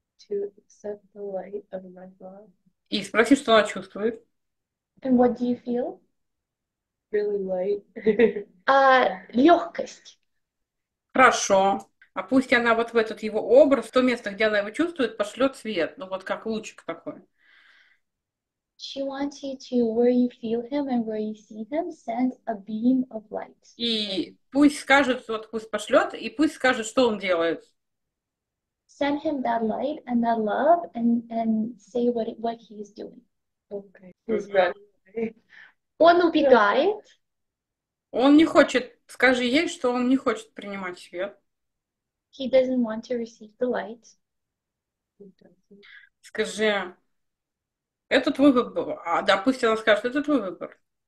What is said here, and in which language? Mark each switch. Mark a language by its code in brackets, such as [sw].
[en] To accept the light of my love. [ru] И спроси, что она чувствует. [en] And what do you feel? Really light. [ru] Легкость. Хорошо. А пусть она вот в этот его образ, в то место, где она его чувствует, пошлет свет. Ну вот как лучик такой. [en] She wants you to, where you feel him and where you see him, send a beam of light. [ru] И пусть скажет, вот пусть пошлет, и пусть скажет, что он делает. [en] Send him that light and that love and say what he is doing. Okay. [ru] Он убегает. Он не хочет, скажи ей, что он не хочет принимать свет. [en] He doesn't want to receive the light. [ru] Скажи, это твой выбор. А да, пусть она скажет, это твой выбор.